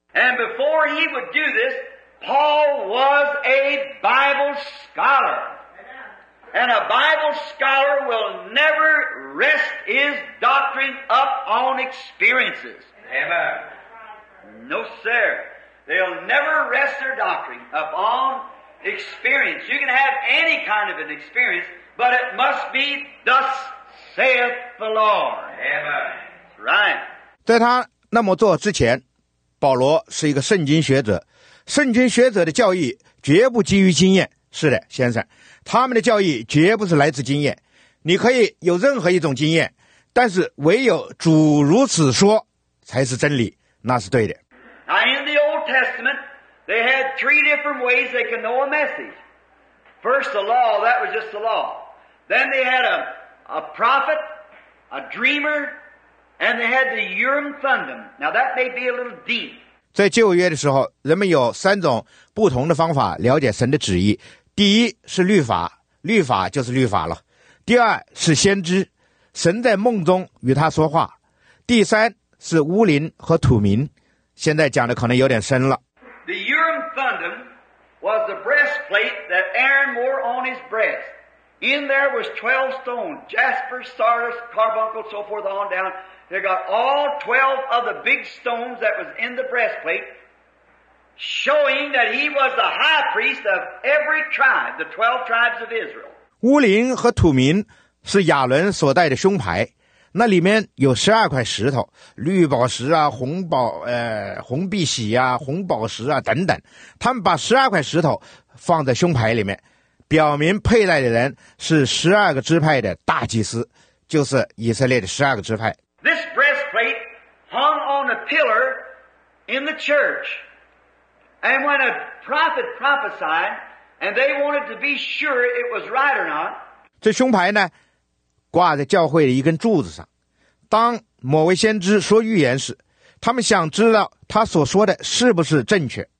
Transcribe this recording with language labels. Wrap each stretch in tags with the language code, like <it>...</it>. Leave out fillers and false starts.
<en>And before he would do this, Paul Paul was a Bible scholar. And a Bible scholar will never rest his doctrine up on experiences. Amen. No, sir. They'll never rest their doctrine up on experience. You can have any kind of an experience, but it must be thus saith the Lord. Amen. Right.</en> <zh>在他那么做之前，保罗是一个圣经学者，圣经学者的教义绝不基于经验。是的，先生，他们的教义绝不是来自经验。你可以有任何一种经验，但是唯有主如此说才是真理，那是对的。</zh> <en>Now in the Old Testament, they had three different ways they could know a message. First, the law, that was just the law. Then they had a prophet, a dreamer, and they had the Urim Thummim. Now that may be a little deep.</en> <zh>在旧约的时候，人们有三种不同的方法了解神的旨意。第一是律法，律法就是律法了。第二是先知，神在梦中与他说话。第三是乌灵和土民，现在讲的可能有点深了。</zh> <en>The Urim Thummim was the breastplate that Aaron wore on his breast. In there was 12 stones, jasper, sardis, carbuncle, so forth on down. They got all 12 of the big stones that was in the breastplate, showing that he was the high priest of every tribe, the 12 tribes of Israel.</en> <zh>乌灵和土民是亚伦所戴的胸牌，那里面有12块石头，绿宝石啊，红碧玺啊，红宝石啊等等。他们把12块石头放在胸牌里面，表明佩戴的人是12个支派的大祭司，就是以色列的12个支派。</zh> <en>This breastplate hung on a pillar in the church. And when a prophet prophesied, and they wanted to be sure it was right or not.</en> <zh>这胸牌呢，挂在教会的一根柱子上。当某位先知说预言时，他们想知道他所说的是不是正确。</zh>